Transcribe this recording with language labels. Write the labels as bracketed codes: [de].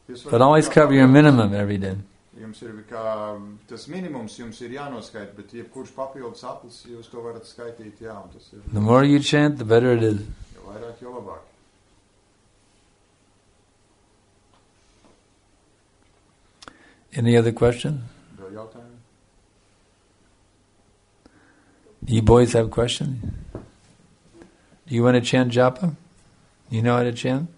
[en] But always cover your minimum every day. [lv] Jums ir kā tas minimums jums ir jānoskaita, bet jebkurš papildus aplis, jūs to varat skaitīt, jā, un tas ir. [en] The more you chant, the better it is. [lv] Jo vairāk, jo labāk. [en] Any other question? [lv] Do jautājumi? [en] You boys have questions? Do you want to chant japa? You know how to chant?